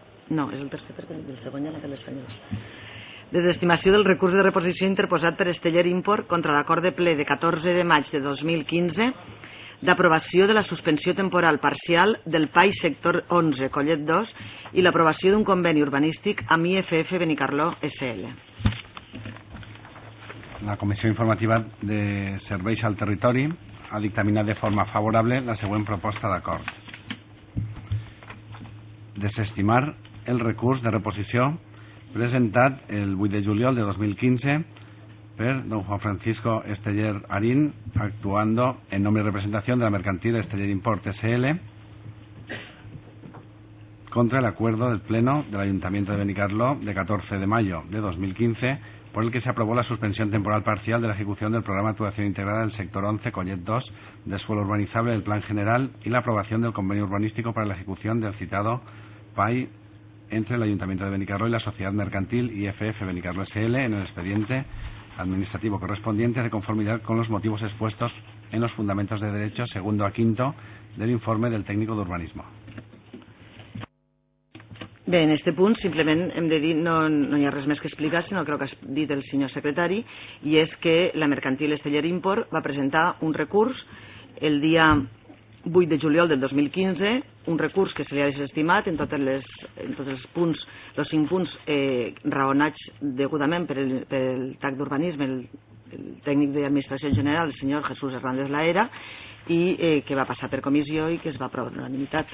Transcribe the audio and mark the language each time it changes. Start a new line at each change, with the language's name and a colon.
Catalan: No, és el tercer, perquè el segon ja no té l'espanyol. Desestimació del recurs de reposició interposat per Esteller Import contra l'acord de ple de 14 de maig de 2015 d'aprovació de la suspensió temporal parcial del PAI sector 11, Collet 2, i l'aprovació d'un conveni urbanístic amb IFF Benicarló SL. La Comissió Informativa de Serveis al Territori ha dictaminat de forma favorable la següent proposta d'acord. Desestimar el recurs de reposició presentat el 8 de juliol de 2015 per don Juan Francisco Esteller Arín,
Spanish: actuando en nombre y representación de la mercantil Esteller Import SL, contra el acuerdo del Pleno del Ayuntamiento de Benicarló de 14 de mayo de 2015, por el que se aprobó la suspensión temporal parcial de la ejecución del programa de actuación integrada del sector 11, Collet 2, de suelo urbanizable del Plan General y la aprobación del convenio urbanístico para la ejecución del citado PAI entre el Ayuntamiento de Benicarló y la sociedad mercantil IFF Benicarló SL en el expediente administrativo correspondiente, de conformidad con los motivos expuestos en los fundamentos de derecho segundo a quinto del informe del técnico de urbanismo.
Catalan: Bé, en este punt simplement hem de dir, no hi ha res més que explicar, sinó que has dit el senyor secretari, i és que la mercantil Esteller Import va presentar un recurs el dia 8 de juliol del 2015, un recurs que se li ha desestimat en tots els cinc punts raonats degudament pel TAC d'Urbanisme, el tècnic d'administració general, el senyor Jesús Hernández Laera, i que va passar per comissió i que es va aprovar unanimitat.